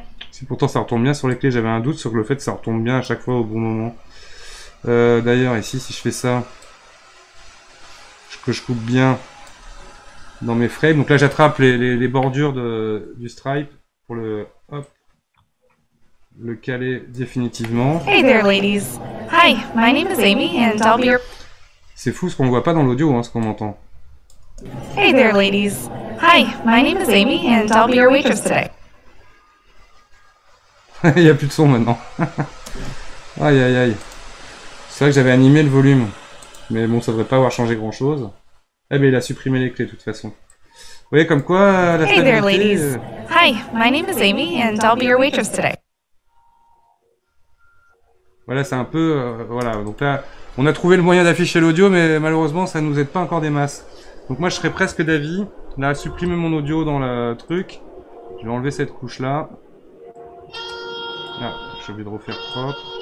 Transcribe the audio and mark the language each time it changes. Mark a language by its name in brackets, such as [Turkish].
[French] Si pourtant ça retombe bien sur les clés, j'avais un doute sur le fait que ça retombe bien à chaque fois au bon moment. D'ailleurs, ici, si je fais ça, que je coupe bien dans mes frames. Donc là, j'attrape les bordures du stripe pour le caler définitivement. [English] Hey there, ladies. Hi, my name is Amy, and I'll be your... [French] C'est fou ce qu'on voit pas dans l'audio, hein, ce qu'on entend. [English] Hey there, ladies. Hi, my name is Amy, and I'll be your waitress today. [French] Il y a plus de son maintenant. Aïe, aïe, aïe. C'est vrai que j'avais animé le volume. Mais bon, ça devrait pas avoir changé grand-chose. Eh ben, il a supprimé les clés, de toute façon. Vous voyez comme quoi, la stabilité... [English] Hey there, ladies. Hi, my name is Amy, and I'll be your waitress today. [French] Voilà, c'est un peu... voilà, donc là, on a trouvé le moyen d'afficher l'audio, mais malheureusement, ça nous aide pas encore des masses. Donc moi, je serais presque d'avis, là, à supprimer mon audio dans le truc. Je vais enlever cette couche-là. Là, j'ai oublié de refaire propre.